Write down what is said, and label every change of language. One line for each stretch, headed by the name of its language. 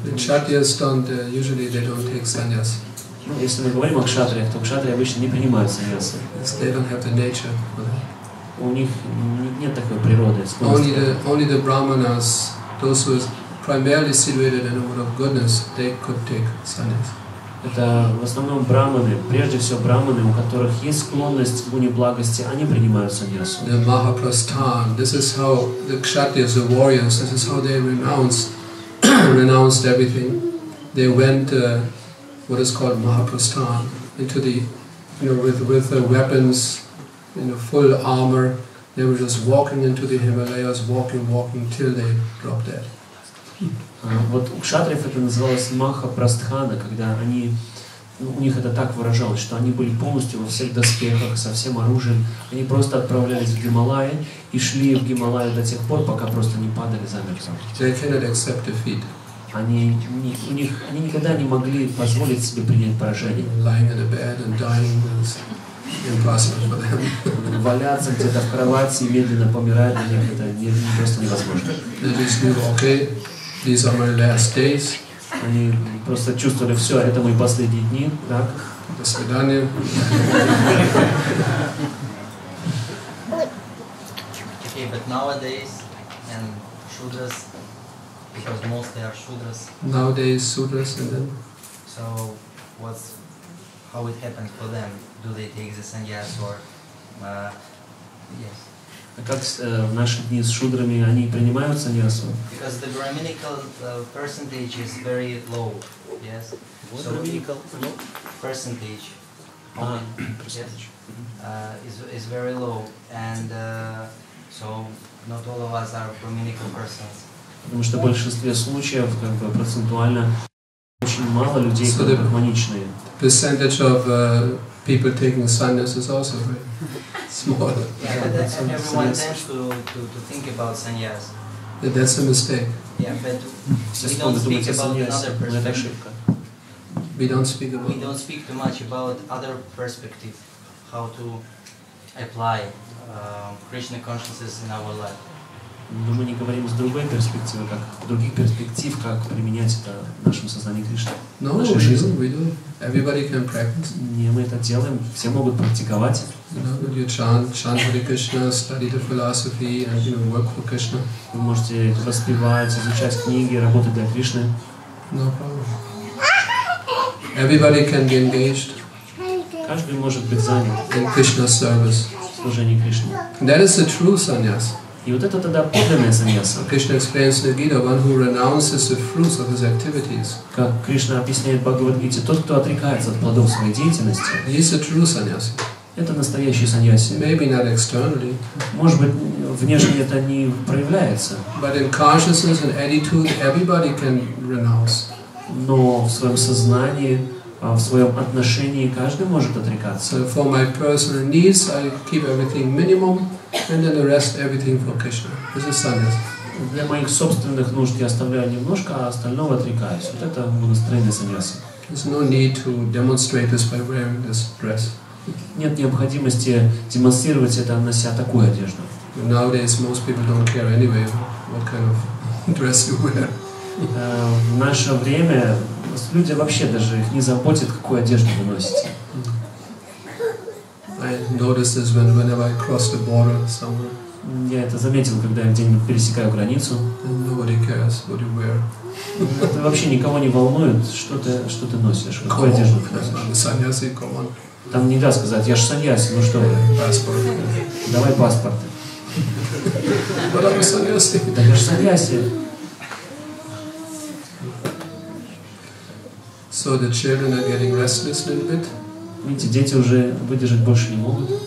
English: The kshatriyas don't usually they don't take sannyas. If we talk about kshatriya, then kshatriya usually don't take sannyas. They don't have the nature.
Russian: У них нет такой природы.
English: Only the brahmanas, those who are primarily situated in the order of goodness, they could take sannyas.
Russian: Это в основном брахманы, прежде всего брахманы, у которых есть склонность к неблагости, они принимают саньясу.
English: The mahaprasthan, this is how the kshatriyas, the warriors, this is how they renounced everything. They went what is called mahaprasthan into the, you know, with the weapons. In a full armor, they were just walking into the Himalayas, walking till they dropped dead.
Russian: Вот у кшатриев это называлось махапрастхана, когда они, у них это так выражалось, что они были полностью во всех доспехах, со всем оружием. Они просто отправлялись в Гималаи и шли в Гималаи до тех пор, пока просто не падали замертво.
English: They cannot accept defeat.
Russian: Они никогда не могли позволить себе принять поражение.
English: Lying in a bed and dying is impossible for them.
Russian: Валяться где-то в кровати и медленно помирать для них это просто невозможно.
English: They just knew, okay, these are my last days.
Russian: Они просто чувствовали, все, это мои последние дни, так. До свидания.
English: Okay, but nowadays, and shudras, because mostly are shudras. Nowadays, shudras, and then. So, what's, how it happened for them? Do they take the sannyas or yes?
Russian: Как в наши дни с шудрами они принимают саньясу?
English: Because the brahminical percentage is very low, yes. What so brahminical percentage? Percentage. Is very low, and so not all of us are brahminical persons.
Russian: Потому что в большинстве случаев как бы процентуально очень мало людей, которые брахманичные.
English: Percentage of people taking sannyas is also very small. Yeah, but everyone tends to think about sannyas. Yeah, that's a mistake. Yeah, but we don't speak about another perspective. We don't speak too much about other perspective, how to apply Krishna consciousness in our life.
Russian: Но мы не говорим с другой перспективы, как других перспектив, как применять это в нашем сознании Кришны.
English: No, we do. We do. Everybody can practice.
Russian: Не, мы это делаем. Все могут практиковать.
English: You know, you chant Hare Krishna, study the philosophy, and you know, work for Krishna.
Russian: Вы можете распевать, изучать книги, работать для Кришны.
English: No problem. Everybody can be engaged.
Russian: Каждый может быть занят.
English: In Krishna service.
Russian: В служении Кришне.
English: That is the true sannyas.
Russian: И вот это тогда подлинная саньяса.
English: Krishna explains in the Gita, one who renounces the fruits of his activities.
Russian: Как Кришна объясняет в Бхагавад-гите, тот, кто отрекается от плодов своей деятельности.
English: He is a true sannyasi.
Russian: Это настоящий саньяси.
English: Maybe not externally.
Russian: Может быть, внешне это не проявляется.
English: But in consciousness and attitude, everybody can renounce.
Russian: Но в своем сознании, в своем отношении каждый может отрекаться.
English: So for my personal needs, I keep everything minimum. And then the rest, everything for Krishna. This is sannyas.
Russian: Для моих собственных нужд я оставляю немножко, а остального отрекаюсь. Вот это монастырный саньяс.
English: There's no need to demonstrate this by wearing this dress.
Russian: Нет необходимости демонстрировать это, нося такую одежду.
English: Nowadays most people don't care anyway what kind of dress you wear.
Russian: В наше время Люди вообще даже их не заботят, какую одежду вы носите.
English: I noticed this whenever I cross the border somewhere.
Russian: Я это заметил, когда я где-нибудь пересекаю границу.
English: Nobody cares what you wear.
Russian: Это вообще никого не волнует, что ты носишь, какую одежду ты носишь.
English: Саньяси, come on.
Russian: Там не да сказать, я же саньяси, ну что вы. Паспорт. Давай паспорт.
English: But I'm саньяси.
Russian: Да я же саньяси.
English: So the children are getting restless a little bit.
Russian: Видите, дети уже выдержать больше не могут.